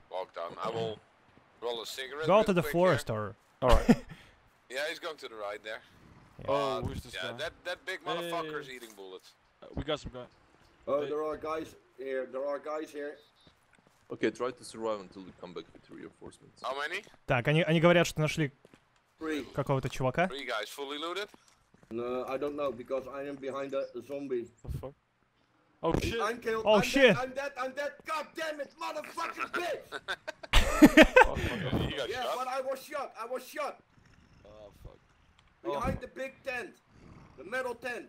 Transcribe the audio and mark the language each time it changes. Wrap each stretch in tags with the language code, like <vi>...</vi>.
<en>Walk down. I will roll a cigarette. Go to the forest, here. Or... Alright. Yeah, he's going to the right there. Yeah. Oh, where's the yeah, star? That big motherfucker is eating bullets. We got some guys. There are guys here. Okay, try to survive until we come back with reinforcements. How many?</en> <ru>Так, они говорят, что нашли какого-то чувака.</ru> <en>Three guys fully looted? No, I don't know, because I am behind a zombie. What the fuck? Oh shit! I'm killed! Oh I'm shit! I'm dead! God damn it, motherfucking bitch! Yeah, but I was shot! Oh fuck. Behind the big tent! The metal tent!</en>